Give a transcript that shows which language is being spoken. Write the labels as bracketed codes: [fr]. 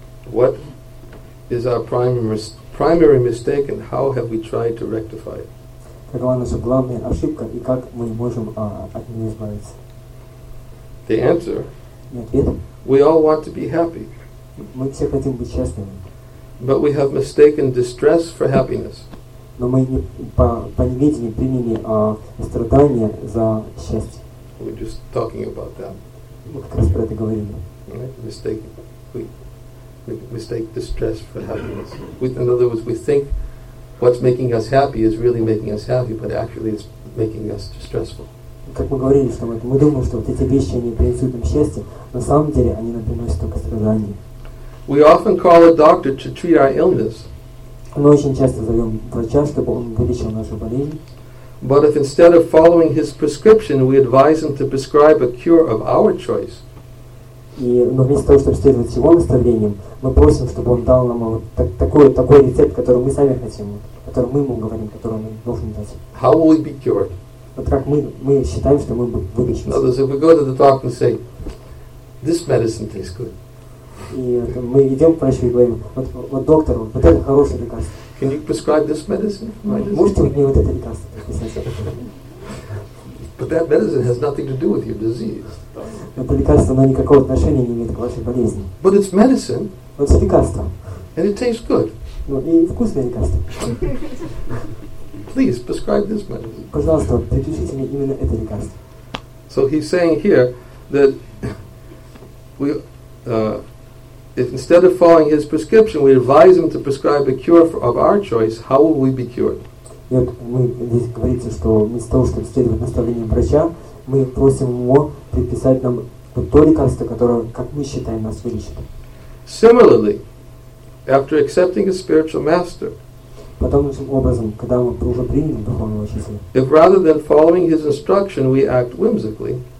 [en] What is our primary mistake and how have we tried to rectify it? [ru] Какова наша главная ошибка и как мы можем от нее избавиться? [en] The answer. [ru] Ответ. [en] We all want to be happy. [ru] Мы все хотим быть счастливыми. [en] But we have mistaken distress for happiness. [ru] Но мы по неведению приняли страдания за счастье. [en] We're just talking about that. [ru] Мы как раз про это говорили. [en] We mistake distress for happiness. In other words, we think what's making us happy is really making us happy, but actually it's making us distressful. [ru] Как мы говорили, что мы думаем, что вот эти вещи они приносят нам счастье, на самом деле они нам приносят только страдания. [en] We often call a doctor to treat our illness. [ru] Мы очень часто зовем врача, чтобы он вылечил нашу болезнь. [en] But if instead of following his prescription, we advise him to prescribe a cure of our choice. [ru] И вместо того, чтобы следовать его наставлениям, мы просим, чтобы он дал нам такой рецепт, который мы сами хотим, который мы ему говорим, который мы должны дать. [en] How will we be cured? [ru] Вот как мы считаем, что мы вылечимся. [en] Others, if we go to the doctor and say, this medicine tastes good. [ru] И мы идем к врачу и говорим, вот доктор, вот это хорошее лекарство. [en] Can you prescribe this medicine? [ru] Можете вы мне вот это лекарство прописать? [en] But that medicine has nothing to do with your disease. [ru] Это лекарство, оно никакого отношения не имеет к вашей болезни. [en] But it's medicine. [ru] Вот это лекарство. [en] And it tastes good. [ru] И вкусное лекарство. [en] Please prescribe this medicine. [ru] Пожалуйста, предпишите мне именно это лекарство. [en] So he's saying here that we if instead of following his prescription, we advise him to prescribe a cure of our choice, how will we be cured? [ru] Мы здесь говорится, что вместо того, чтобы следовать наставлениям врача, мы просим его приписать нам то лекарство, которое, как мы считаем, нас вылечит. [en] Similarly, after accepting a spiritual master, [ru] подобным образом, когда мы уже приняли духовного учителя, [en] if rather than following his instruction, we act whimsically,